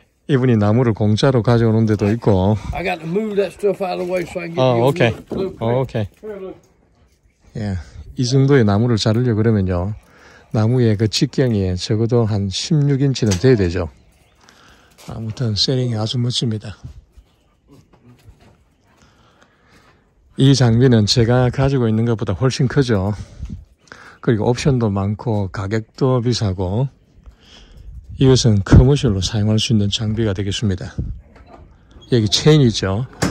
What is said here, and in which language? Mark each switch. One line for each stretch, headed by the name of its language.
Korean: 이분이 나무를 공짜로 가져오는 데도 있고.
English: I got to move that stuff out of the way so I can get you a blue print. Oh, okay. Yeah.
Korean: 이 정도의 나무를 자르려 그러면요. 나무의 그 직경이 적어도 한 16인치는 돼야 되죠. 아무튼 세팅이 아주 멋집니다. 이 장비는 제가 가지고 있는 것보다 훨씬 크죠. 그리고 옵션도 많고 가격도 비싸고 이것은 커머셜로 사용할 수 있는 장비가 되겠습니다. 여기 체인이죠.